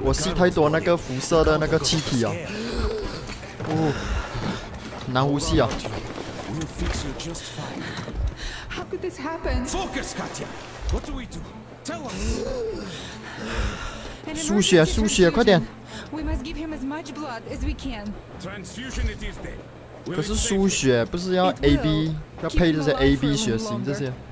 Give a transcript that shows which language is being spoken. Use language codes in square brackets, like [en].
[zh] 我吸太多那个辐射的那个气体啊！哦，难呼吸啊 ！ [en] We'll fix you just fine. How could this happen? Focus, Katya. What do we do? Tell us. [zh] 输血，输血，快点 [en] ！We must give him as much blood as we can. Transfusion it is then. [zh] 可是输血不是要 AB 要配这些 AB 血型这些？